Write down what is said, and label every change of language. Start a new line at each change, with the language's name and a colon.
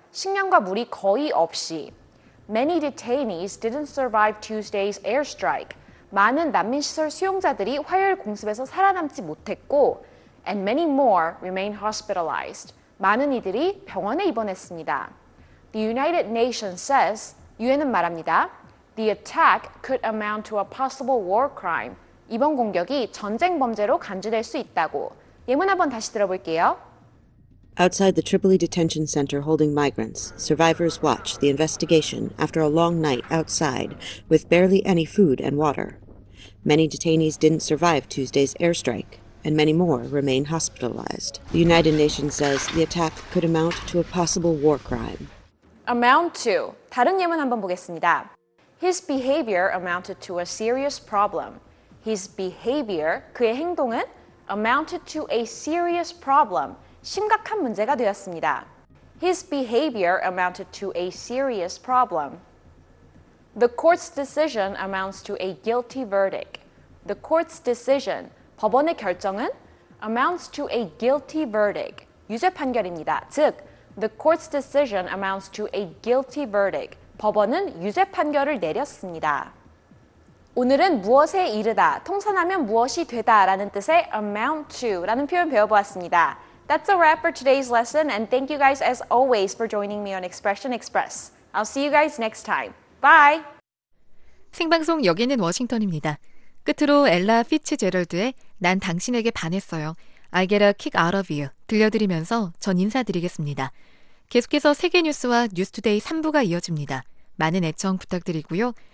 Korean: 식량과 물이 거의 없이
English: many detainees didn't survive Tuesday's airstrike.
Korean: 많은 난민 시설 수용자들이 화요일 공습에서 살아남지 못했고
English: And many more remain hospitalized.
Korean: 많은 이들이 병원에 입원했습니다.
English: The United Nations says,
Korean: 유엔은 말합니다.
English: The attack could amount to a possible war crime.
Korean: 이번 공격이 전쟁 범죄로 간주될 수 있다고. 예문 한번 다시 들어볼게요.
English: Outside the Tripoli detention center holding migrants, survivors watch the investigation after a long night outside with barely any food and water. Many detainees didn't survive Tuesday's airstrike. And many more remain hospitalized. The United Nations says the attack could amount to a possible war crime. Amount to.
Korean: 다른 예문 한번 보겠습니다.
English: His behavior amounted to a serious problem. His behavior,
Korean: 그의 행동은
English: amounted to a serious problem.
Korean: 심각한 문제가 되었습니다.
English: His behavior amounted to a serious problem. The court's decision amounts to a guilty verdict. The court's decision.
Korean: 법원의 결정은
English: amounts to a guilty verdict,
Korean: 유죄 판결입니다.
English: 즉, the court's decision amounts to a guilty verdict.
Korean: 법원은 유죄 판결을 내렸습니다. 오늘은 무엇에 이르다, 통산하면 무엇이 되다 라는 뜻의 amount to 라는 표현 배워보았습니다.
English: That's a wrap for today's lesson and thank you guys as always for joining me on Expression Express. I'll see you guys next time. Bye!
Korean: 생방송 여기는 워싱턴입니다. 끝으로 엘라 피츠제럴드의 난 당신에게 반했어요.
English: I get a kick out of you
Korean: 들려드리면서 전 인사드리겠습니다. 계속해서 세계뉴스와 뉴스투데이 3부가 이어집니다. 많은 애청 부탁드리고요.